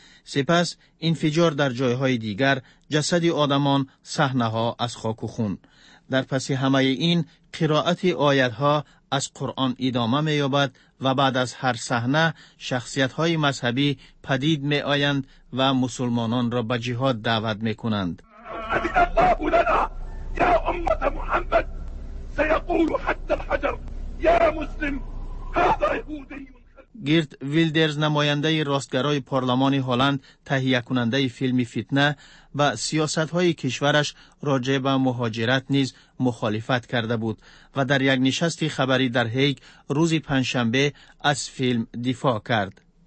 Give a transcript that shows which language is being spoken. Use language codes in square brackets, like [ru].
[fa] سپس انفجار در جایهای دیگر، جسد آدمان، صحنه ها از خاک و خون. در پس همه این قرائت آیت ها از قرآن ادامه می یابد و بعد از هر صحنه شخصیت های مذهبی پدید می آیند و مسلمانان را به جهاد دعوت می کنند. [ar] يا امه محمد سيقول حتى الحجر يا مسلم هذا يهودي. [fa] گیرت ویلدرز نماینده راستگرای پارلمان هلند تهیه کننده فیلم فتنه و سیاست های کشورش راجع به مهاجرت نیز مخالفت کرده بود و در یک نشست خبری در هیگ روز پنجشنبه از فیلم دفاع کرد.